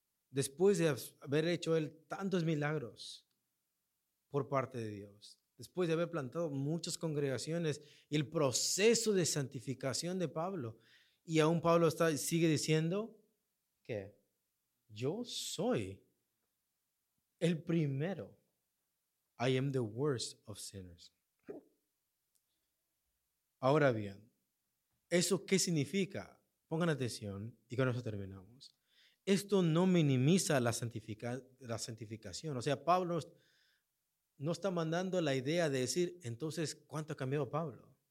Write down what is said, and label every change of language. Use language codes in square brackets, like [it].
[es] Después de haber hecho él tantos milagros por parte de Dios. Después de haber plantado muchas congregaciones y el proceso de santificación de Pablo. Y aún Pablo sigue diciendo que yo soy el primero. [en] I am the worst of sinners. [es] Ahora bien, ¿eso qué significa? Pongan atención y con eso terminamos. Esto no minimiza la santificación. O sea, Pablo no está mandando la idea de decir, entonces, ¿cuánto ha cambiado Pablo?